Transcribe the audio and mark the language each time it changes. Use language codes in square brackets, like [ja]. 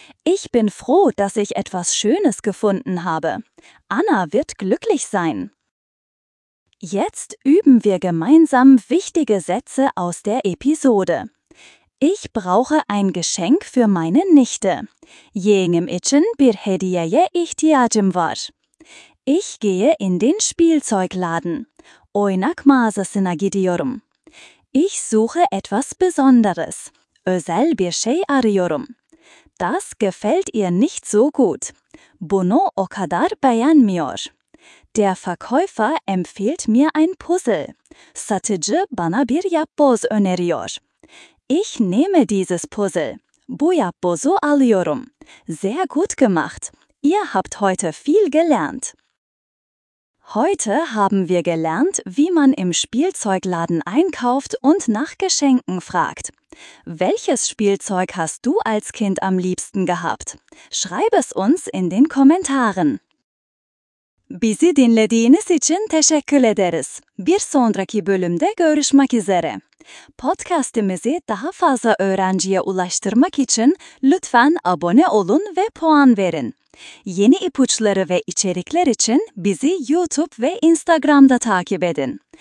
[de] Ich bin froh, dass ich etwas Schönes gefunden habe. Anna wird glücklich sein. Jetzt üben wir gemeinsam wichtige Sätze aus der Episode. Ich brauche ein Geschenk für meine Nichte. [tr] Jegem için bir hediyeye ihtiyacım var. [de] Ich gehe in den Spielzeugladen. [tr] Oynak mağazasına gidiyorum. [de] Ich suche etwas Besonderes. [tr] Özel bir şey arıyorum. [de] Das gefällt ihr nicht so gut. [tr] Bunu o kadar beğenmiyor. [de] Der Verkäufer empfiehlt mir ein Puzzle. [tr] Satıcı bana bir yapboz öneriyor. [de] Ich nehme dieses Puzzle. [tr] Bu yapbozu alıyorum. [de] Sehr gut gemacht. Ihr habt heute viel gelernt. Heute haben wir gelernt, wie man im Spielzeugladen einkauft und nach Geschenken fragt. Welches Spielzeug hast du als Kind am liebsten gehabt? Schreib es uns in den Kommentaren. [tr] Bizi dinlediğiniz için teşekkür ederiz. Bir sonraki bölümde görüşmek üzere. Podcast'imizi daha fazla öğrenciye ulaştırmak için lütfen abone olun ve puan verin. Yeni ipuçları ve içerikler için bizi YouTube ve Instagram'da takip edin.